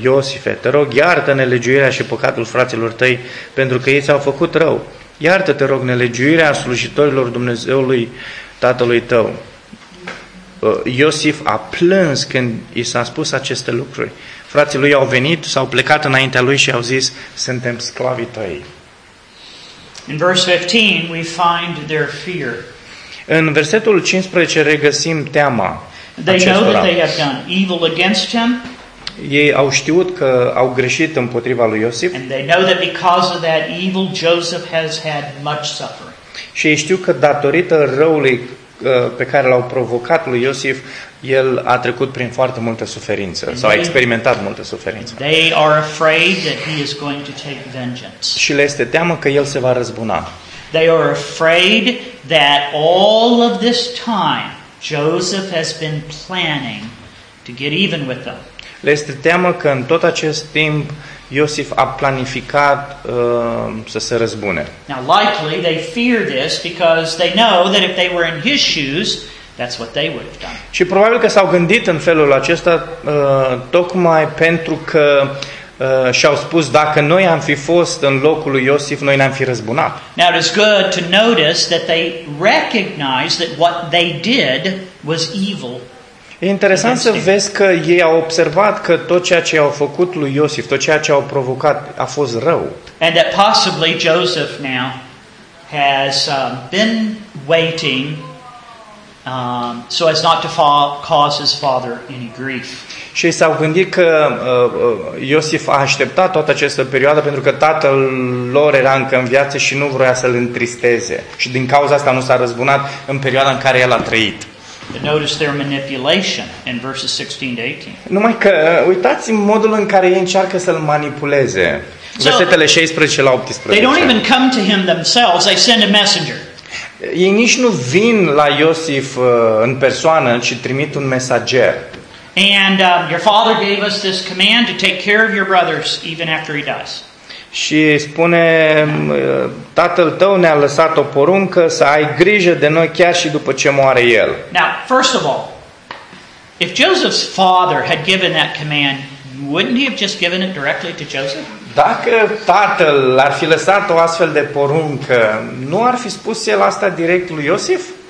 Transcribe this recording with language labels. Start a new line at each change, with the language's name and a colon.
Romanian: Iosife, te rog, iartă nelegiuirea și păcatul fraților tăi pentru că ei ți-au făcut rău. Iartă, te rog, nelegiuirea slujitorilor Dumnezeului tatălui tău. Iosif a plâns când i s-a spus aceste lucruri. Frații lui au venit, s-au plecat înaintea lui și au zis, suntem sclavii tăi.
English: In verse 15, we find their fear.
Romanian: În versetul 15 regăsim teama acestora.
English: They know that they have done evil against him.
Romanian: Ei au știut că au greșit împotriva lui Iosif.
English: And they know that because of that evil, Joseph has had much suffering.
Romanian: Și ei știu că datorită răului pe care l-au provocat lui Iosif, el a trecut prin foarte multă suferință sau a experimentat multă suferință.
English: They are afraid that he is going to take vengeance.
Romanian: Și le este teamă că el se va răzbuna.
English: They are afraid that all of this time Joseph has been planning to get even with them.
Romanian: Le este teamă că în tot acest timp Iosif a planificat să se răzbune.
English: Now likely they fear this because they know that if they were in his shoes, that's what they would have done.
Romanian: Și probabil că s-au gândit în felul acesta tocmai pentru că și-au spus dacă noi am fi fost în locul lui Iosif, noi ne-am fi răzbunat.
English: Now it is good to notice that they recognize that what they did was evil.
Romanian: E interesant să vezi că ei au observat că tot ceea ce au făcut lui Iosif, tot ceea ce au provocat a fost rău.
English: And that possibly Joseph now has been waiting so as not to cause his father any grief.
Romanian: Și ei s-au gândit că Iosif a așteptat toată această perioadă pentru că tatăl lor era încă în viață și nu vroia să-l întristeze. Și din cauza asta nu s-a răzbunat în perioada în care el a trăit.
English: Notice their manipulation in verses 16 to 18.
Romanian: Numai că uitați în modul în care ei încearcă să-l manipuleze. Versetele 16 la 18.
English: They don't even come to him themselves, they send a messenger.
Romanian: Ei nici nu vin la Iosif în persoană, ci trimit un mesager.
English: And your father gave us this command to take care of your brothers even after he dies.
Romanian: Și spune, tatăl tău ne-a lăsat o poruncă să ai grijă de noi chiar și după ce moare el.
English: Now, first of all, if Joseph's father had given that command, wouldn't he have just given it directly to Joseph?
Romanian: Dacă tatăl ar fi lăsat o astfel de poruncă, nu ar fi spus el asta direct lui Iosif?